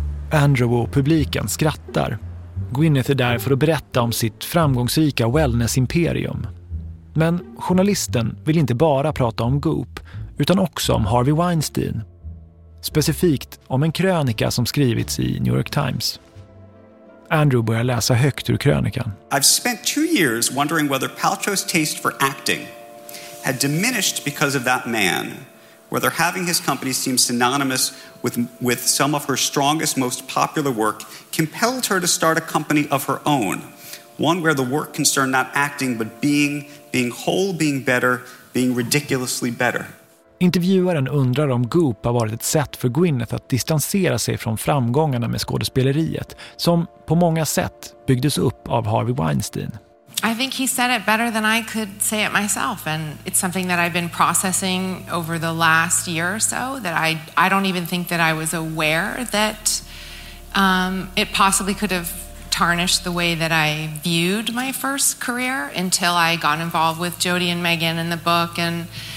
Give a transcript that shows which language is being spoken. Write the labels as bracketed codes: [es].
[sv] Andrew och publiken skrattar. Gwyneth är där för att berätta om sitt framgångsrika wellness-imperium. Men journalisten vill inte bara prata om Goop utan också om Harvey Weinstein. Specifikt om en krönika som skrivits i New York Times. Andrew börjar läsa högt ur krönikan. [en] I've spent 2 years wondering whether Paltrow's taste for acting had diminished because of that man, whether having his company seem synonymous with some of her strongest, most popular work compelled her to start a company of her own, one where the work concerned not acting but being whole, being better, being ridiculously better. [sv] Intervjuaren undrar om Goop har varit ett sätt för Gwyneth att distansera sig från framgångarna med skådespeleriet som på många sätt byggdes upp av Harvey Weinstein. [en] I think he said it better than I could say it myself, and it's something that I've been processing over the last year or so, that I don't even think that I was aware that it possibly could have tarnished the way that I viewed my first career until I got involved with Jody and Megan and the book and